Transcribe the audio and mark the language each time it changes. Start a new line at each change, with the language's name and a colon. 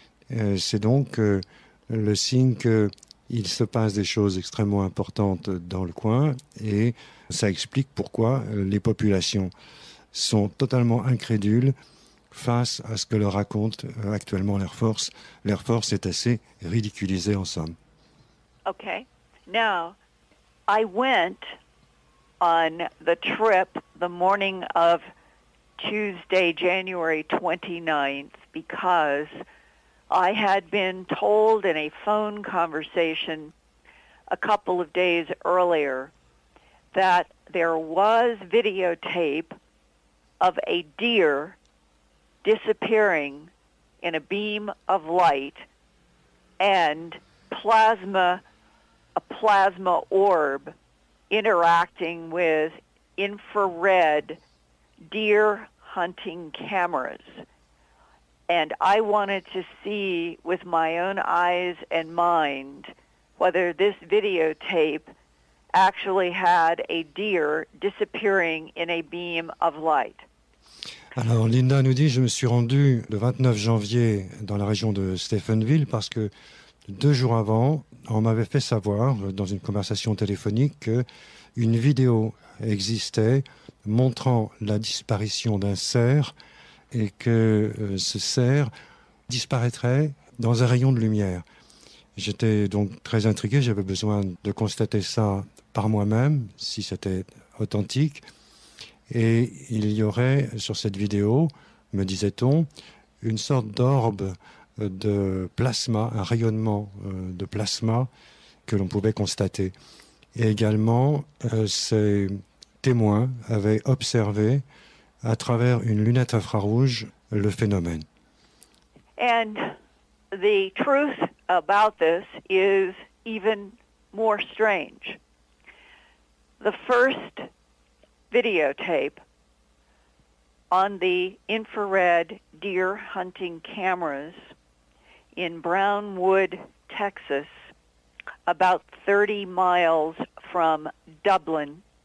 French: C'est donc le signe qu'il se passe des choses extrêmement importantes dans le coin et ça explique pourquoi les populations sont totalement incrédules face à ce que leur raconte actuellement l'Air Force. L'Air Force est assez ridiculisée en somme.
English: Okay. Now, I went on the trip the morning of Tuesday, January 29th, because I had been told in a phone conversation a couple of days earlier that there was videotape of a deer disappearing in a beam of light and a plasma orb interacting with infrared deer hunting cameras. And I wanted to see with my own eyes and mind whether this videotape actually had a deer disappearing in a beam of light.
French: Alors Linda nous dit, je me suis rendu le 29 janvier dans la région de Stephenville parce que deux jours avant, on m'avait fait savoir dans une conversation téléphonique qu'une vidéo existait montrant la disparition d'un cerf et que ce cerf disparaîtrait dans un rayon de lumière. J'étais donc très intrigué, j'avais besoin de constater ça par moi-même, si c'était authentique. Et il y aurait sur cette vidéo, me disait-on, une sorte d'orbe de plasma, un rayonnement de plasma que l'on pouvait constater. Et également, ces témoins avaient observé à travers une lunette infrarouge le phénomène.
English: And the truth about this is even more strange. The first videotape on the infrared deer hunting cameras in Brownwood, Texas, about 30 miles from Dublin,